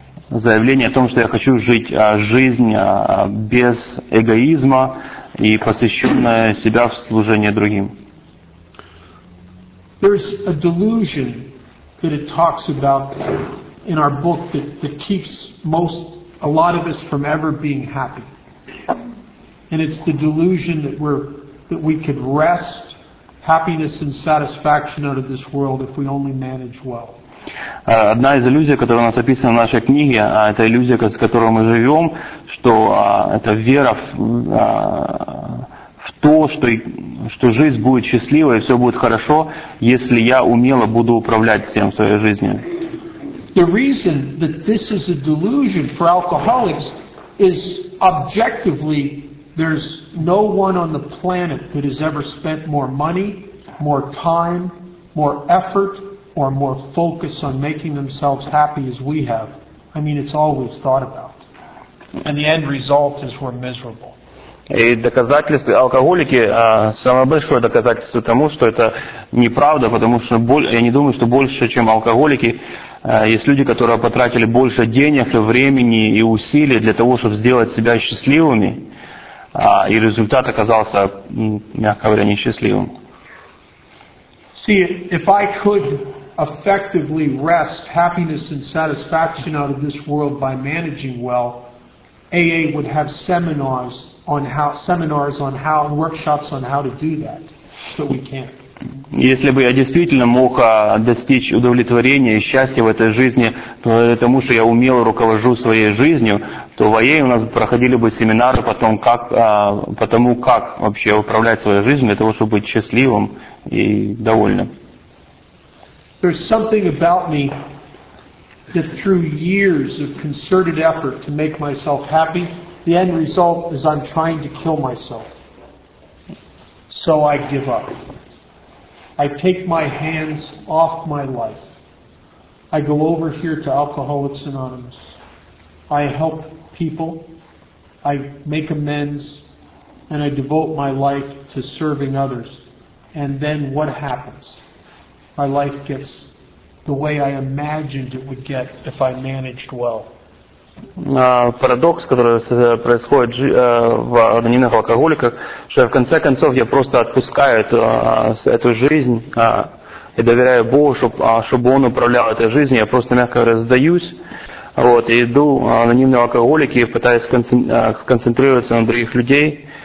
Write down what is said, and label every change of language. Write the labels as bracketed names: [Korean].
[Russian] Заявление о том, что я хочу жить жизнь без эгоизма и посвященная себя в служение другим. [English] There's a delusion that it talks about in our book that keeps a lot of us from ever being happy. And it's the delusion that we could wrest happiness and satisfaction out of this world if we only manage well. [Russian] Одна из иллюзий, которая у нас описана в нашей книге, это иллюзия, с которой мы живем, что это вера в то, что жизнь будет счастливой и все будет хорошо, если я умело буду управлять всем в своей жизни. [English] The reason that this is a delusion for alcoholics is objectively there's no one on the planet that has ever spent more money, more time, more effort, or more focus on making themselves happy as we have. I mean, it's always thought about. And the end result is we're miserable. [Russian] И доказательство алкоголики, самое большое доказательство тому, что это неправда, потому что я не думаю, что больше, чем алкоголики, есть люди, которые потратили больше денег, времени и усилий для того, чтобы сделать себя счастливыми, и результат оказался, мягко говоря, несчастливым. [English] See, if I could effectively wrest happiness and satisfaction out of this world by managing well, AA would have seminars on how and workshops on how to do that, so we can. [Russian] Если бы я действительно мог достичь удовлетворения и счастья в этой жизни, потому что я умело руковожу своей жизнью, то в АА у нас проходили бы семинары по тому, как вообще управлять своей жизнью для того, чтобы быть счастливым и довольным. [English] There's something about me that through years of concerted effort to make myself happy, the end result is I'm trying to kill myself. So I give up. I take my hands off my life. I go over here to Alcoholics Anonymous. I help people. I make amends. And I devote my life to serving others. And then what happens? My life gets the way I imagined it would get if I managed well. [Russian] Парадокс, который происходит в анонимных алкоголиках, что в конце концов я просто отпускаю эту жизнь и доверяю Богу, чтобы Он управлял этой жизнью. Я просто, мягко говоря, сдаюсь, вот, и иду анонимные алкоголики, пытаюсь сконцентрироваться на других людей,